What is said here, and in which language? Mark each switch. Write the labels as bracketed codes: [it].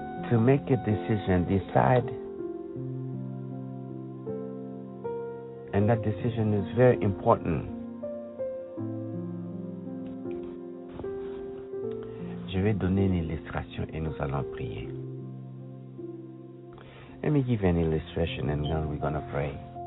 [en] To make a decision, decide, and that decision is very important. [fr] Je vais donner une illustration et nous allons prier. [en] Let me give an illustration and then we're going to pray.